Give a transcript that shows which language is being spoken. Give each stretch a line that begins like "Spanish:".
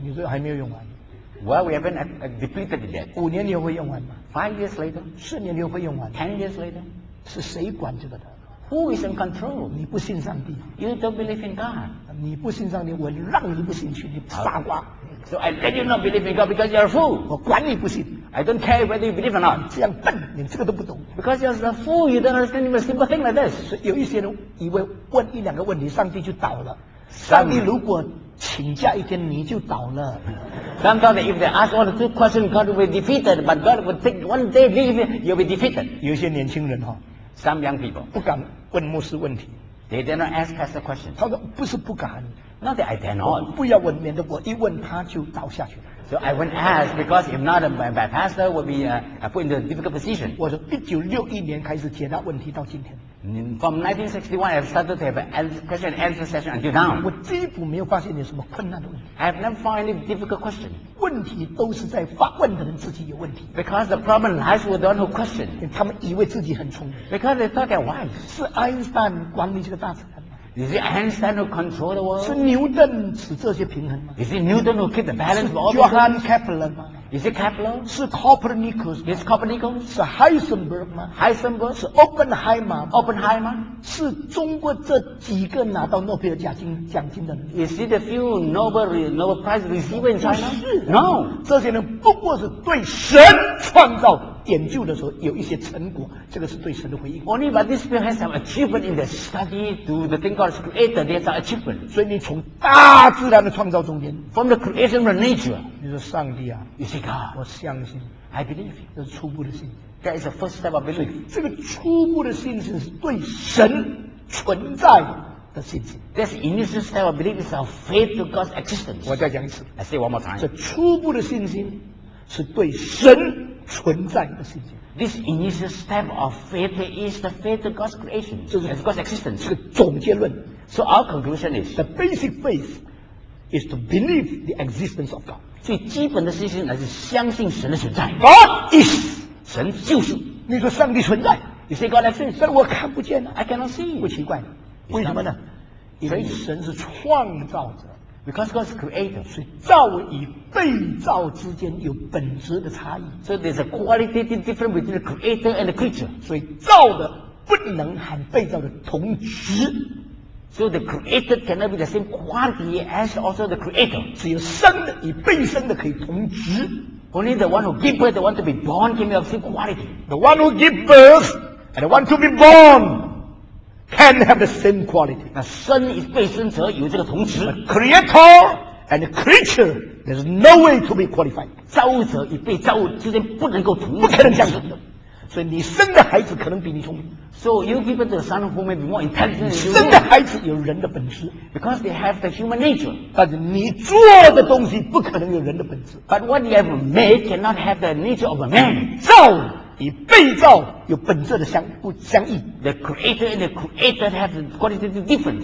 Chinese: 你说还没有用完。
English: Well, we haven't depleted yet.
Chinese: 五年你会用完吗？
English: 5 years later.
Chinese: 四年你会用完？
English: 10 years later.
Chinese: 是谁管这个的？
English: Who is in control?
Chinese: 你不信上帝。
English: You don't believe in God.
Chinese: 你不信上帝，我让你不信去，你傻瓜。
English: So I let you not believe in God because you're a fool.
Chinese: 我管你不信。
English: I don't care whether you believe or not.
Chinese: 这样笨，你这个都不懂。
English: Because you're a fool, you don't understand even simple thing like this.
Chinese: 所以有一些人以为问一两个问题，上帝就倒了。上帝如果请假一天，你就倒了。
English: Sometimes if they ask one or two questions, God will be defeated, but God will take one day leave, you'll be defeated.
Chinese: 有些年轻人哈
English: ，some young people
Chinese: 不敢问牧师问题。
English: They dare not ask us a question.
Chinese: 他说不是不敢。
English: Not that I dare not.
Chinese: 不要问，免得我一问他就倒下去了。
English: So I won't ask because if not, my pastor will be put into a difficult position.
Chinese: 我说1961年开始解答问题到今天。
English: From 1961, I've started to have an question and answer session until now.
Chinese: 我几乎没有发现有什么困难的问题。
English: I have never found any difficult question.
Chinese: 问题都是在发问的人自己有问题。
English: Because the problem lies with the one who questions.
Chinese: 他们以为自己很聪明。
English: Because they thought they're wise.
Chinese: 是爱因斯坦管理这个大自然。
English: Is it Einstein who controls the world?
Chinese: 是牛顿使这些平衡吗？
English: Is it Newton who keeps the balance of all the world?
Chinese: 是 Johann Kepler 吗？
English: Is it Kepler?
Chinese: 是 Copernicus 吗？
English: Is Copernicus?
Chinese: 是 Heisenberg 吗？
English: Heisenberg?
Chinese: 是 Oppenheimer 吗？
English: Oppenheimer?
Chinese: 是中国这几个拿到诺贝尔奖金的人？
English: Is it the few Nobel Prize receiver in China?
Chinese: 是。
English: No.
Chinese: 这些人不过是对神创造研究的时候有一些成果，这个是对神的回应。
English: Only but this people has some achievement in the study to the thing God has created. There's an achievement.
Chinese: 所以你从大自然的创造中间
English: ，from the creation of nature，
Chinese: 你说上帝啊
English: ，You see God，
Chinese: 我相信
English: ，I believe，
Chinese: 这是初步的信。
English: That is the first step of belief.
Chinese: 这个初步的信心是对神存在的信心。
English: That's the initial step of belief is our faith to God's existence.
Chinese: 我再讲一次
English: ，I say one more time.
Chinese: 这初步的信心是对神存在的信心。
English: This initial step of faith is the faith of God's creation, of God's existence.
Chinese: 是个总结论。
English: So our conclusion is the basic faith is to believe the existence of God.
Chinese: 最基本的信心乃是相信神的存在。
English: God is
Chinese: 神就是。你说上帝存在
English: ？You say God exists.
Chinese: 但我看不见
English: 啊 ，I cannot see.
Chinese: 不奇怪，为什么呢？因为神是创造者。
English: Because God is creator,
Chinese: 所以造与被造之间有本质的差异。
English: So there's a qualitative difference between the creator and the creature.
Chinese: 所以造的不能和被造的同质。
English: So the creator cannot be the same quality as also the creator.
Chinese: 只有生的与被生的可以同质。
English: Only the one who gives birth, the one to be born, can be of same quality. The one who gives birth and the one to be born. Can have the same quality.
Chinese: 那生与被生者有这个同质。
English: A creator and a creature, there's no way to be qualified.
Chinese: 造物者与被造物之间不能够同质。不可能这样子的。所以你生的孩子可能比你聪明。
English: So you give the son who may be more intelligent.
Chinese: 你生的孩子有人的本质。
English: Because they have the human nature.
Chinese: 但是你做的东西不可能有人的本质。
English: But what you have made cannot have the nature of a man.
Chinese: 造与被造有本质的相异。
English: The creator and the created have a qualitative difference.